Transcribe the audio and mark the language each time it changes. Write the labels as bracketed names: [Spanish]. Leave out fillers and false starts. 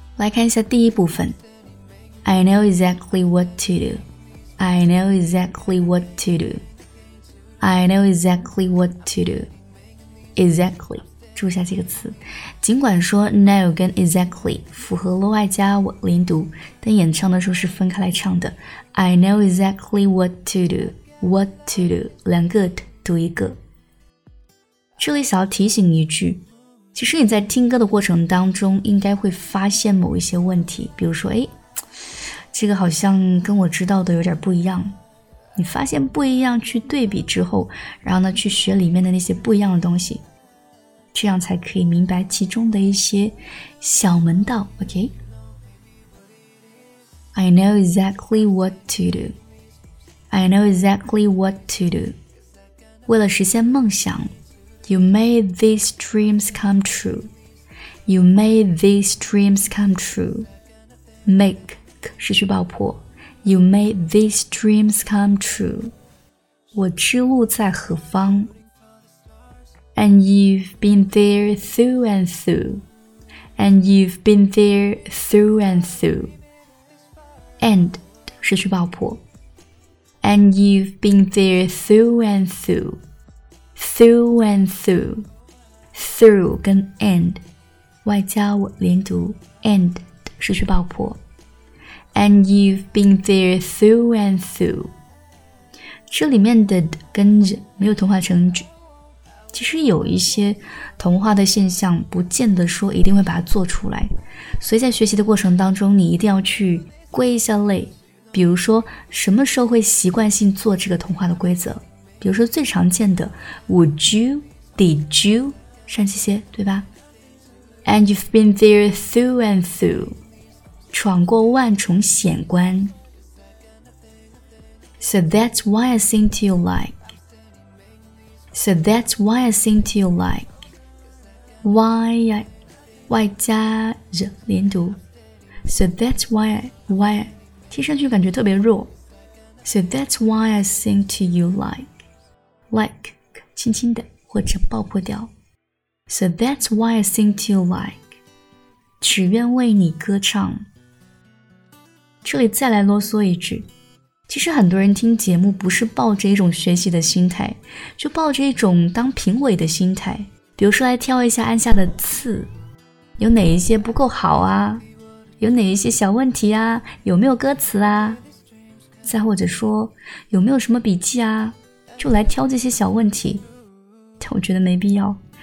[English] I know exactly what to do. I know exactly what to do. I know exactly what to do. I know exactly what to do. [Chinese] Exactly. 注意下这个词。尽管说 know 跟 exactly 符合low I加连读，但演唱的时候是分开来唱的。 [English] I know exactly what to do. What to do. [Chinese] 两个 t 读一个。这里想要提醒一句，其实你在听歌的过程当中应该会发现某一些问题，比如说，哎，这个好像跟我知道的有点不一样。你发现不一样，去对比之后，然后呢，去学里面的那些不一样的东西，这样才可以明白其中的一些小门道。 [English] OK? I know exactly what to do. I know exactly what to do. [Chinese] 为了实现梦想， [English] You made these dreams come true. You made these dreams come true. Make [Chinese] 失去爆破。 [English] You made these dreams come true. [Chinese] 我之路在何方 [English] ？And you've been there through and through. And you've been there through and through. [Chinese] And 失去爆破。 [English] And you've been there through and through. Through and through, through 跟 and, [Chinese] 外加连读 [English] and [Chinese] 失去爆破 [English] And you've been there through and through. [Chinese] 这里面的跟着没有同化成句，其实有一些同化的现象，不见得说一定会把它做出来。所以在学习的过程当中，你一定要去归一下类，比如说什么时候会习惯性做这个同化的规则。 [English] 比如说最常见的 Would you, did you [Chinese] 上这些对吧 [English] And you've been there through and through [Chinese] 闯过万重险关 [English] So that's why I sing to you like So that's why I sing to you like Why I [Chinese] 外加惹连读 [English] So that's why [Chinese] 听上去感觉特别弱 [English] So that's why I sing to you like [Chinese] 轻轻的或者爆破掉 [English] So that's why I sing to you like [Chinese] 只愿为你歌唱。这里再来啰嗦一句，其实很多人听节目不是抱着一种学习的心态，就抱着一种当评委的心态，比如说来挑一下按下的刺，有哪一些不够好啊，有哪一些小问题啊，有没有歌词啊，再或者说有没有什么笔记啊，就来挑这些小问题，但我觉得没必要。